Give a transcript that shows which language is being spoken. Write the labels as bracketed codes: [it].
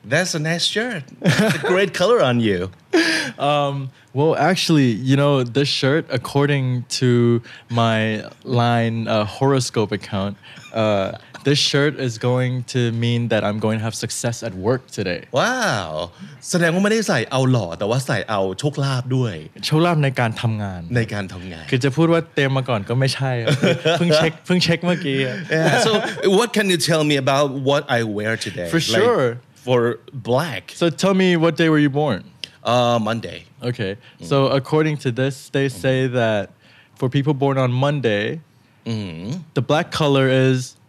[en] That's a nice shirt. It's a great color on you. Well, actually, you know, this shirt, according to my line horoscope account, this shirt is going to mean that I'm going to have success at work today. Wow. [th] แสดงว่าไม่ได้ใส่เอาหล่อแต่ว่าใส่เอาโชคลาภด้วย โชคลาภในการทำงาน ในการทำงาน คือจะพูดว่าเตรียมมาก่อนก็ไม่ใช่เพิ่งเช็คเมื่อกี้ [en] Yeah. So what can you tell me about what I wear today? For sure. Like, for black. So tell me what day were you born? Monday. Okay. Mm. So according to this, they say that for people born on Monday, the black color is...